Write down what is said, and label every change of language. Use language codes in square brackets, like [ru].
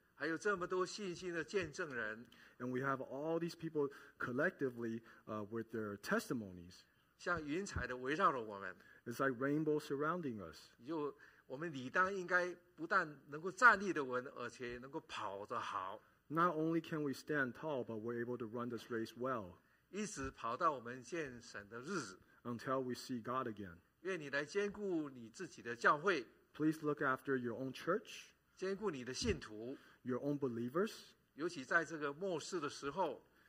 [zh] 还有这么多信心的见证人。 [en] And we have all these people collectively with their testimonies. [zh] 像云彩的围绕着我们。 [en] It's like rainbow surrounding us. [zh] 我们理当应该不但能够站立得稳，而且能够跑得好。 [en] Not only can we stand tall, but we're able to run this race well. [zh] 一直跑到我们见神的日子。 [en] Until we see God again. [zh] 愿你来兼顾你自己的教会。 [en] Please look after your own church. [zh] 兼顾你的信徒。 [en] Your own believers. [zh] 尤其在这个末世的时候。